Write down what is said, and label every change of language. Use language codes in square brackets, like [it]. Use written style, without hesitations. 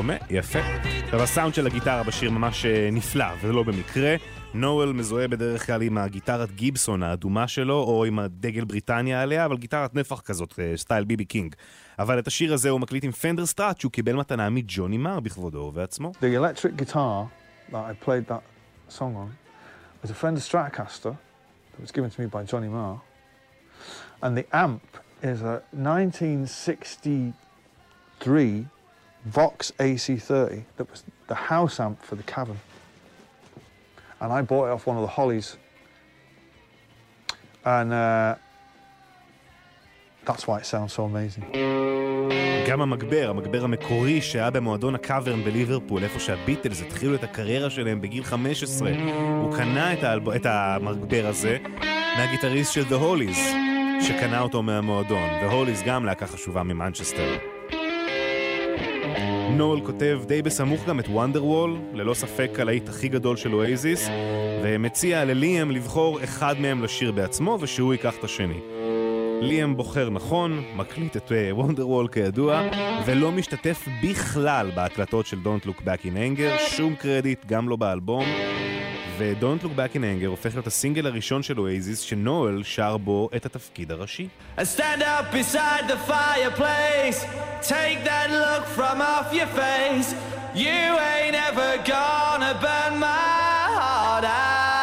[he] יפה. טוב, הסאונד של הגיטרה בשיר ממש נפלא, ולא במקרה. נואל מזוהה בדרך כלל עם הגיטרת גיבסון האדומה שלו, או עם הדגל בריטניה עליה, אבל גיטרת נפח כזאת, סטייל ביבי קינג. אבל את השיר הזה הוא מקליט עם פנדר סטראט, שהוא קיבל מתנה מג'וני מר בכבודו ובעצמו. [en] The electric guitar that I played that song on was a Fender Stratocaster that was given to me by Johnny Marr. And the amp is a 1963 Vox AC30 that was the house amp for the cavern and I bought it off one of the Hollies and that's why it sounds so amazing. [he] גם המגבר המקורי שהיה במועדון הקאברן בליברפול, איפה שהביטלס התחילו את הקריירה שלהם בגיל 15, הוא קנה את המגבר הזה מהגיטריסט של The Hollies שקנה אותו מהמועדון. The Hollies גם להקה חשובה ממנצ'סטר. נואל כותב די בסמוך גם את וונדרוול, ללא ספק הלהיט הכי גדול של אואזיס, ומציע לליאם לבחור אחד מהם לשיר בעצמו ושהוא ייקח את השני. ליאם בוחר נכון, מקליט את וונדרוול כידוע, ולא משתתף בכלל בהקלטות של Don't Look Back in Anger, שום קרדיט גם לא באלבום, ו-Don't Look Back in Anger הופך להיות הסינגל הראשון של אואזיס שנואל שר בו את התפקיד הראשי. [en] I stand up beside the fireplace, take that look from off your face, you ain't ever gonna burn my heart out.